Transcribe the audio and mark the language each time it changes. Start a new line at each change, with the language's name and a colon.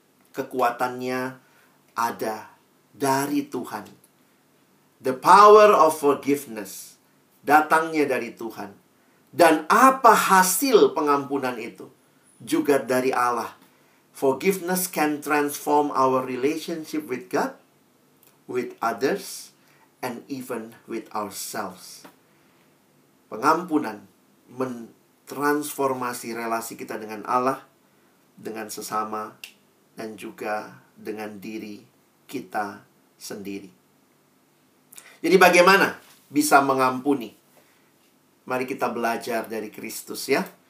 Indonesian: Kekuatannya ada dari Tuhan.
English: The power of forgiveness
Indonesian: datangnya dari Tuhan. Dan apa hasil pengampunan itu? Juga dari Allah.
English: Forgiveness can transform our relationship with God, with others, and even with ourselves.
Indonesian: Pengampunan mentransformasi relasi kita dengan Allah, dengan sesama, dan juga dengan diri kita sendiri. Jadi bagaimana bisa mengampuni? Mari kita belajar dari Kristus ya.